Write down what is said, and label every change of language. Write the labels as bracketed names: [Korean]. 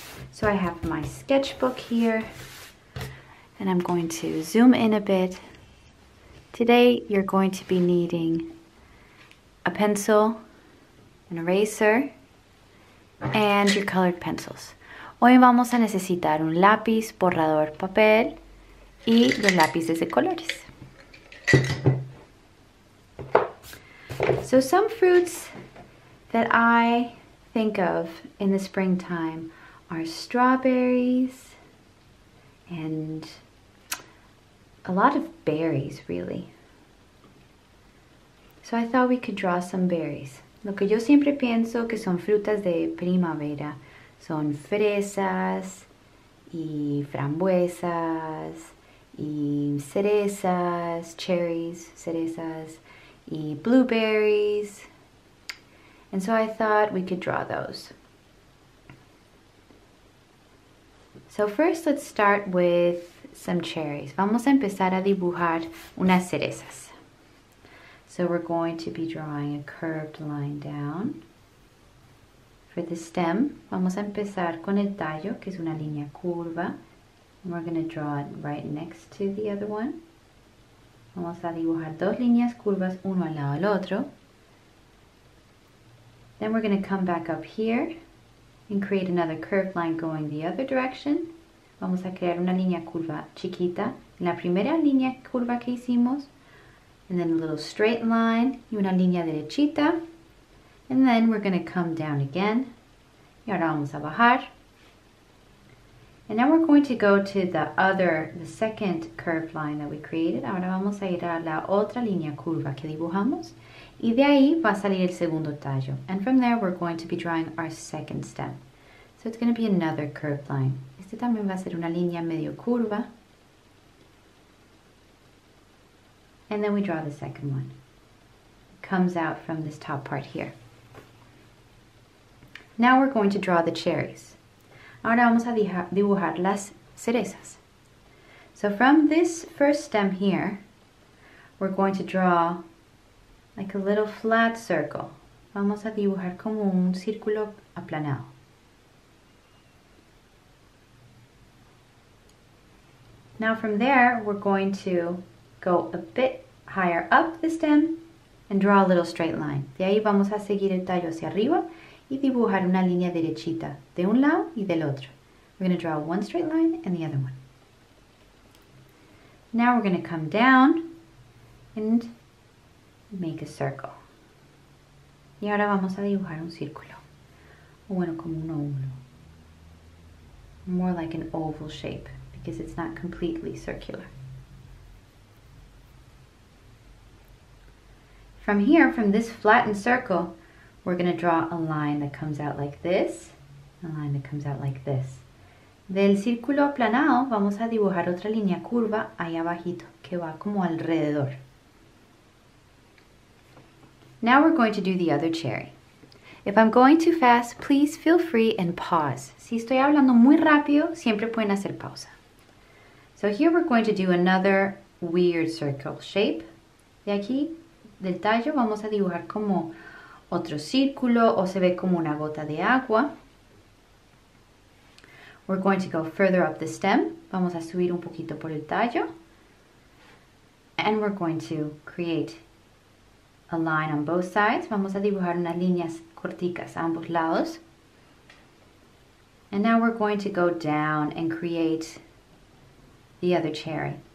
[English] So I have my sketchbook here, and I'm going to zoom in a bit. Today, you're going to be needing a pencil, an eraser, and your colored pencils. [Spanish] Hoy vamos a necesitar un lápiz, borrador, papel, y los lápices de colores. [English] So some fruits that I think of in the springtime are strawberries and a lot of berries, really. So I thought we could draw some berries. [Spanish] Lo que yo siempre pienso que son frutas de primavera son fresas y frambuesas y cerezas, cherries, cerezas y blueberries. [English] And so I thought we could draw those. So first let's start with some cherries. [Spanish] Vamos a empezar a dibujar unas cerezas. [English] So we're going to be drawing a curved line down. For the stem, [Spanish] vamos a empezar con el tallo, que es una línea curva. [English] And we're going to draw it right next to the other one. [Spanish] Vamos a dibujar dos líneas curvas, uno al lado del otro. [English] Then we're going to come back up here and create another curved line going the other direction. [Spanish] Vamos a crear una línea curva chiquita, la primera línea curva que hicimos, [English] and then a little straight line, [Spanish] y una línea derechita, [English] and then we're going to come down again, [Spanish] y ahora vamos a bajar, [English] and now we're going to go to the second curved line that we created. [Spanish] Ahora vamos a ir a la otra línea curva que dibujamos, y de ahí va a salir el segundo tallo, [English] and from there we're going to be drawing our second stem. So it's going to be another curved line. [Spanish] Este también va a ser una línea medio curva. [English] And then we draw the second one. It comes out from this top part here. Now we're going to draw the cherries. [Spanish] Ahora vamos a dibujar las cerezas. [English] So from this first stem here, we're going to draw like a little flat circle. [Spanish] Vamos a dibujar como un círculo aplanado. [English] Now from there, we're going to go a bit higher up the stem and draw a little straight line. [Spanish] De ahí vamos a seguir el tallo hacia arriba y dibujar una línea derechita de un lado y del otro. [English] We're going to draw one straight line and the other one. Now we're going to come down and make a circle. [Spanish] Y ahora vamos a dibujar un círculo. Bueno, como un óvulo. [English] More like an oval shape because it's not completely circular. From here, from this flattened circle, we're going to draw a line that comes out like this, a line that comes out like this. [Spanish] Del círculo aplanado, vamos a dibujar otra línea curva ahí abajito, que va como alrededor. [English] Now we're going to do the other cherry. If I'm going too fast, please feel free and pause. [Spanish] Si estoy hablando muy rápido, siempre pueden hacer pausa. [English] So here we're going to do another weird circle shape. [Spanish] De aquí, del tallo, vamos a dibujar como otro círculo o se ve como una gota de agua. [English] We're going to go further up the stem. [Spanish] Vamos a subir un poquito por el tallo. [English] And we're going to create a line on both sides. [Spanish] Vamos a dibujar unas líneas corticas a ambos lados. [English] And now we're going to go down and create the other cherry.